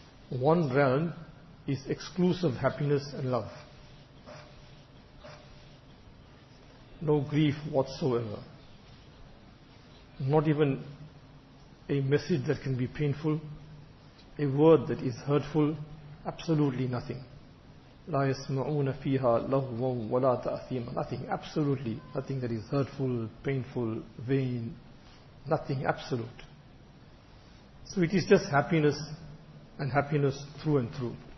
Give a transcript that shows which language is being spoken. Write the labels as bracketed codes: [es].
[en] One realm is exclusive happiness and love. No grief whatsoever. Not even a message that can be painful, a word that is hurtful, absolutely nothing. [ar] لا يسمعون فيها لغوا ولا تأثيما. [en] Nothing, absolutely nothing that is hurtful, painful, vain, nothing, absolute. So it is just happiness, and happiness through and through.